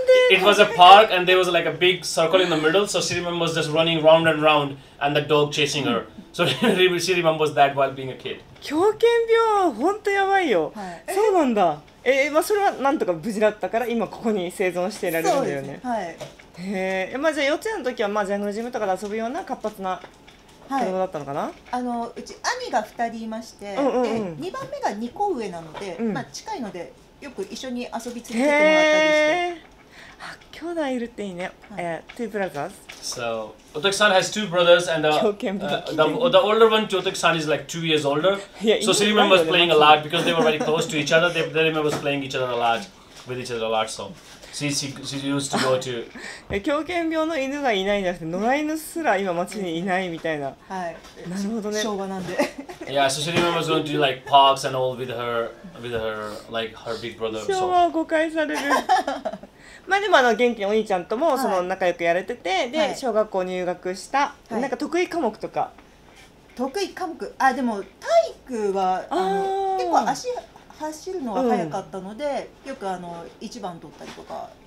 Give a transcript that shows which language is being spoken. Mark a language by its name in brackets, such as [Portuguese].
[English] It was a park, and there was like a big circle in the middle. So she remembers just running round and round, and the dog chasing her. So she remembers that while being a kid. [Japanese] 狂犬病本当やばいよ。そうなんだ。まあそれはなんとか無事だったから今ここに生存していられるんだよね。はい。まあじゃあ幼稚園の時はまあジャングルジムとかで遊ぶような活発な。はい、子供だったのかな。あのうち兄が2人いまして、うんうんうん、 2番目が2個上なので、うん、まあ、近いのでよく一緒に遊び続けてもらったりして。兄弟いるっていいね、はい、 [English] 2 brothers. So, Otoki-san has 2 brothers and the older one to Otoki-san is like 2 years older. So she remembers playing a lot because they were very close to each other. They remembers playing each other a lot with each other a lot, so She used to go to [Japanese] 狂犬病の犬がいないんじゃなくて野良犬すら今町にいないみたいな。はい、なるほどね、昭和なんで。 [English] Yeah, so she remembers going to like parks and all with her like her big brother. [Japanese] 昭和を誤解される。まあでもあの元気にお兄ちゃんともその仲良くやれてて、はい、で小学校入学した、はい、なんか得意科目とか。得意科目、あ、でも体育は結構足走るのは早かったので、うん、よくあの一番取ったりとか。